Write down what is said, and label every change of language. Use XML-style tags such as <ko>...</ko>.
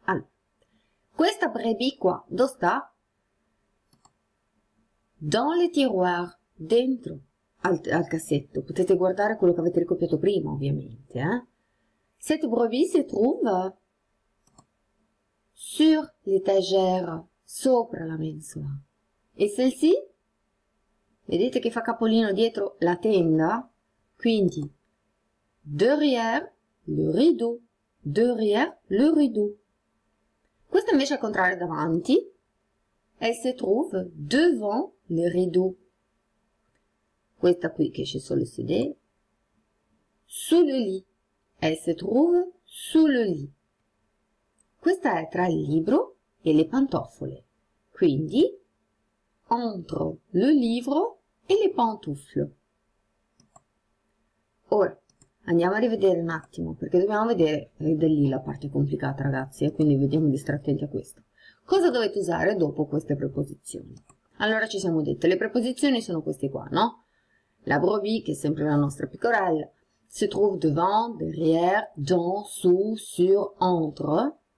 <it>Allora, questa brebis qua, dove sta?</it> <fr>Dans le tiroir,</fr> <it>dentro. Al cassetto, potete guardare quello che avete ricopiato prima, ovviamente.</it> <fr>Cette brebis se trouve sur l'étagère,</fr> <it>sopra la mensola.</it> <fr>E celle-ci?</fr> <it>Vedete che fa capolino dietro la tenda?</it> <fr>Quindi, derrière le rideau. Derrière le rideau.</fr> <it>Questa invece è al contrario, davanti.</it> <fr>Elle se trouve devant le rideau.</fr> <it>Questa qui che esce solo sedere.</it> <fr>Sous le lit. Elle se trouve sous le lit.</fr> <it>Questa è tra il libro e le pantofole.</it> <fr>Quindi, entre le livre et les pantoufles.</fr> <it>Ora, andiamo a rivedere un attimo, perché dobbiamo vedere, è da lì la parte complicata, ragazzi, quindi vediamo di stare attenti a questo. Cosa dovete usare dopo queste preposizioni? Allora, ci siamo dette, le preposizioni sono queste qua, no? La brebis, che è sempre la nostra pecorella, si trova devant, derrière, dans, sous, sur, entre.</it>